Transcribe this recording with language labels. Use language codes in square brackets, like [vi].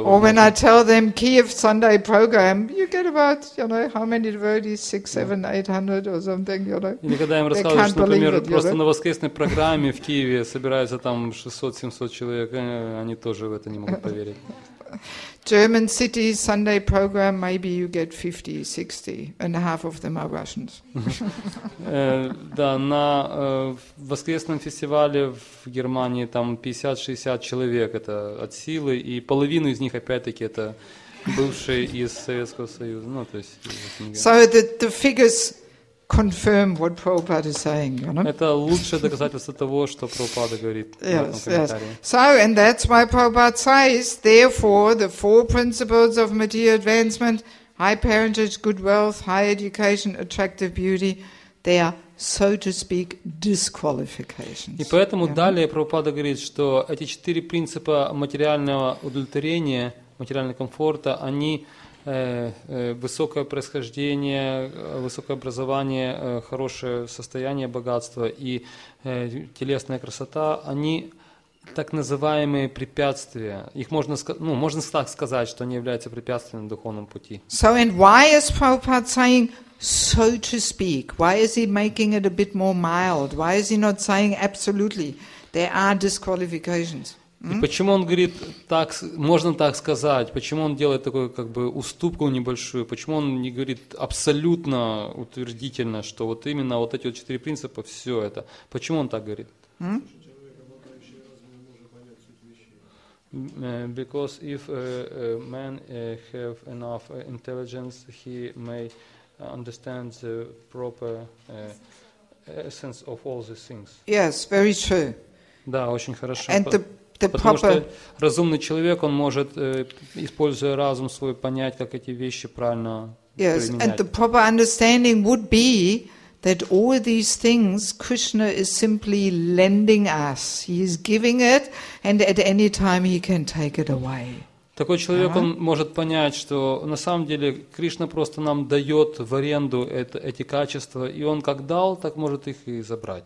[en] Or when I tell them Kiev Sunday program, you get about, you know, how many devotees? 600, 700, 800 or something. You know. [ru] Или когда я им рассказываю, что, например, просто на воскресной программе в Киеве собирается там 600-700 человек, они тоже в это не могут поверить. [en] German city Sunday program, maybe you get 50-60, and half of them are Russians. [ru] Да, на воскресном фестивале в Германии там 50-60 человек это от силы, и половину из них опять-таки это бывшие из Советского Союза. Ну, то есть. [en] So the figures confirm what Prabhupada is saying, you know? [ru] Это лучшее доказательство того, что Прабхупада говорит в этом комментарии. [en] So, and that's why Prabhupada says, therefore, the four principles of material advancement, high parentage, good wealth, high education, attractive beauty, they are, so to speak, disqualifications. [ru] И поэтому далее Прабхупада говорит, что эти четыре принципа материального удовлетворения, материального комфорта, они высокое происхождение, высокое образование, хорошее состояние, богатство и телесная красота, они так называемые препятствия. Их можно, ну, можно так сказать, что они являются препятствием на духовном пути. [en] So and why is Prabhupada saying so to speak? Why is he making it a bit more mild? Why is he not saying absolutely? There are disqualifications. [ru] И почему он говорит так, можно так сказать, почему он делает такую как бы уступку небольшую, почему он не говорит абсолютно утвердительно, что вот именно вот эти вот четыре принципа, все это, почему он так говорит? [en] Because if man have enough intelligence, he may understand the proper essence of all the things. Yes, very true. [ru] Да, очень хорошо. [en] And the [ru] потому что разумный человек, он может, используя разум свой, понять, как эти вещи правильно применять. [en] Yes, and the proper understanding would be that all these things Krishna is simply lending us. He is giving it, and at any time he can take it away. [ru] Такой человек, он может понять, что на самом деле Кришна просто нам дает в аренду эти качества, и он как дал, так может их и забрать.